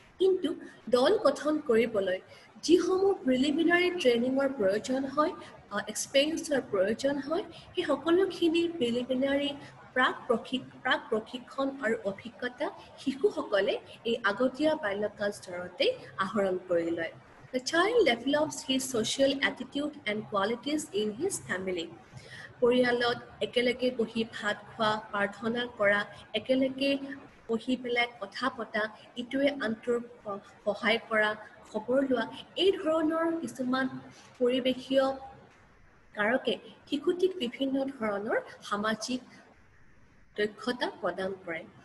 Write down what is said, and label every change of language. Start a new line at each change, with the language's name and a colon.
Assamese: কিন্তু দল গঠন কৰিবলৈ যিসমূহ প্ৰিলিমিনাৰী ট্ৰেইনিঙৰ প্ৰয়োজন হয়, এক্সপেৰিয়েঞ্চৰ প্ৰয়োজন হয়, সেই সকলোখিনি প্ৰিলিমিনাৰী প্ৰাক প্ৰশিক্ষণ আৰু অভিজ্ঞতা শিশুসকলে এই আগতীয়া বাল্যকাল স্তৰতে আহৰণ কৰি লয়।
English: The child develops his social attitude and qualities in his family.
Assamese: পৰিয়ালত একেলগে বহি ভাত খোৱা, প্ৰাৰ্থনা কৰা, একেলগে বহি পেলাই কথা পতা, ইটোৱে আনটোৰ সহায় কৰা, খবৰ লোৱা, এই ধৰণৰ কিছুমান পৰিৱেশীয় কাৰকে শিশুটিক বিভিন্ন ধৰণৰ সামাজিক দক্ষতা প্ৰদান কৰে।